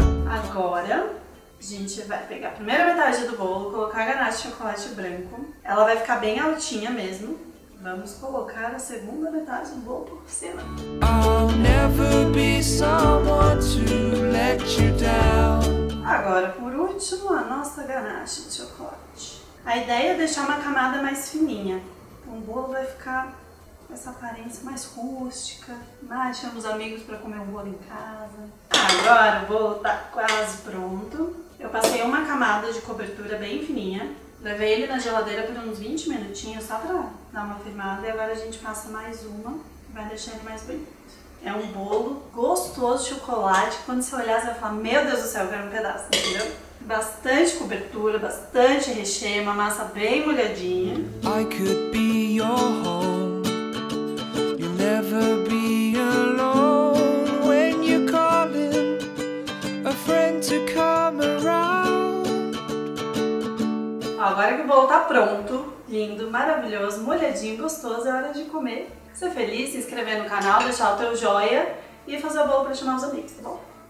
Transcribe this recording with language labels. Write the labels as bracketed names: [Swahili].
[Portuguese] Agora, a gente vai pegar a primeira metade do bolo, colocar a ganache de chocolate branco. Ela vai ficar bem altinha mesmo. Vamos colocar a segunda metade do bolo por cima. [English] I'll never be someone to let you down. [Portuguese] Agora, por último, a nossa ganache de chocolate. A ideia é deixar uma camada mais fininha. Então o bolo vai ficar com essa aparência mais rústica. Mas chama os amigos para comer um bolo em casa. Agora o bolo tá quase pronto. Eu passei uma camada de cobertura bem fininha, levei ele na geladeira por uns 20 minutinhos só pra dar uma firmada e agora a gente passa mais uma, vai deixar ele mais bonito. É um bolo gostoso de chocolate, quando você olhar você vai falar, meu Deus do céu, eu quero um pedaço, entendeu? Bastante cobertura, bastante recheio, uma massa bem molhadinha. [English] I could be your home. You'll never be alone when you call it. A friend to come around. [Portuguese] Agora que o bolo tá pronto, lindo, maravilhoso, molhadinho, gostoso, é hora de comer. Ser feliz, se inscrever no canal, deixar o teu joia e fazer o bolo para chamar os amigos, tá bom?